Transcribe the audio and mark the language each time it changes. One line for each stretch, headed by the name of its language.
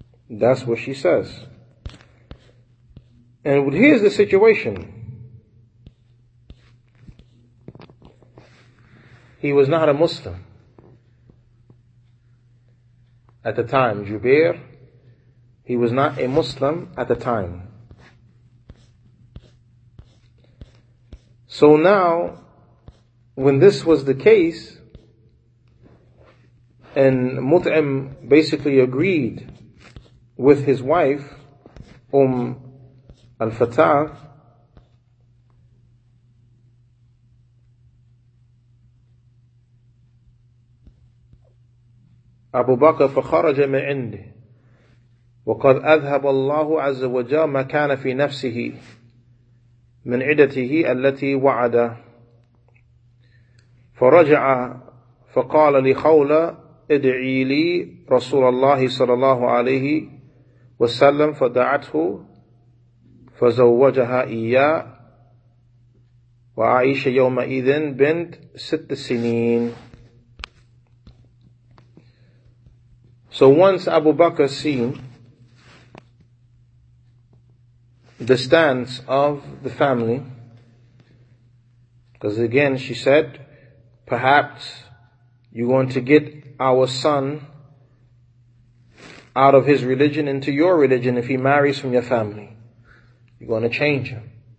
English: That's what she says. And here's the situation. He was not a Muslim at the time. Jubair, he was not a Muslim at the time. So now, when this was the case, and Mut'im basically agreed with his wife, al-Fatah,
Arabic: Abu Bakr فخرج من عنده وقد أذهب الله عز وجل ما كان في نفسه من عدته التي وعد فرجع فقال لخولة ادعي لي رسول الله صلى الله عليه وسلم فدعته فزوجها إياه وعائشة يومئذ بنت 6 سنين.
English: So once Abu Bakr seen the stance of the family, because again she said, perhaps you want to get our son out of his religion into your religion if he marries from your family. You're going to change him.